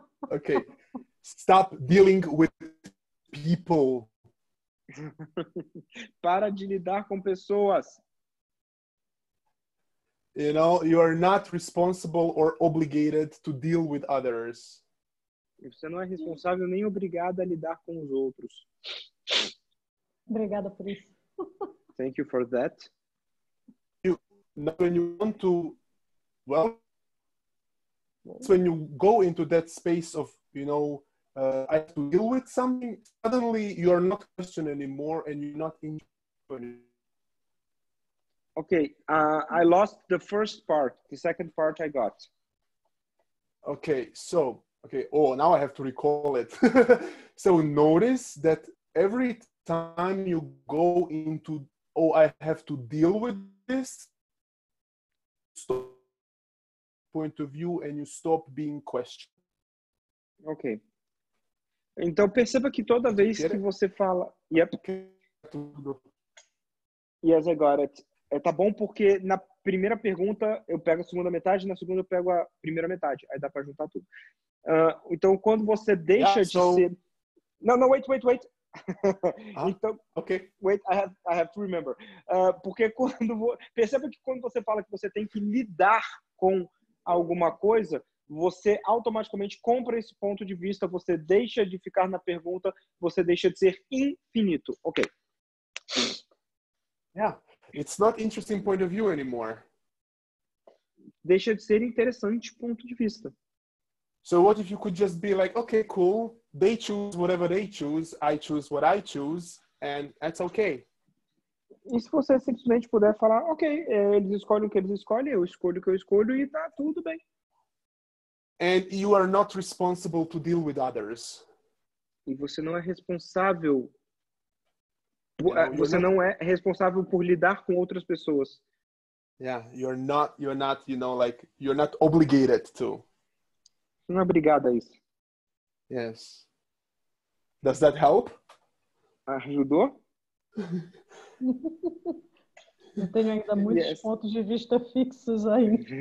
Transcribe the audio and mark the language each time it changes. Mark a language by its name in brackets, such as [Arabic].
[English] Okay. Stop dealing with people. [Portuguese] Para de lidar com pessoas. [English] You know, you are not responsible or obligated to deal with others. [Portuguese] Você não é responsável nem obrigado a lidar com os outros. Obrigada por isso. [English] Thank you for that. When you want to, well, it's when you go into that space of, you know, I have to deal with something, suddenly you are not questioned anymore and you're not in. Okay, I lost the first part. The second part I got. Okay, so, okay, oh, now I have to recall it. So notice that every time you go into, oh, I have to deal with this, stop point of view and you stop being questioned. Okay. [Portuguese] Então, perceba que toda vez que você fala... Yep. [English] Yes, I got it. [Portuguese] É, tá bom porque na primeira pergunta eu pego a segunda metade, na segunda eu pego a primeira metade. Aí dá pra juntar tudo. Então, quando você deixa ser... Não, wait. Uh-huh. Então, [English] okay. Wait, I have to remember. [Portuguese] Porque quando... Perceba que quando você fala que você tem que lidar com alguma coisa... Você automaticamente compra esse ponto de vista, você deixa de ficar na pergunta, você deixa de ser infinito. Ok. [English] Yeah, it's not interesting point of view anymore. [Portuguese] Deixa de ser interessante ponto de vista. [English] So what if you could just be like, okay, cool, they choose whatever they choose, I choose what I choose, and that's okay. [Portuguese] E se você simplesmente puder falar, ok, eles escolhem o que eles escolhem, eu escolho o que eu escolho e tá tudo bem. [English] And you are not responsible to deal with others. [Portuguese] E você não é responsável. Você não é responsável por lidar com outras pessoas. [English] Yeah, you're not, you know, like, you're not obligated to. [Portuguese] Você não é obrigado a isso. [English] Yes. Does that help? [Portuguese] Ajudou? Eu tenho ainda muitos yes. pontos de vista fixos aí.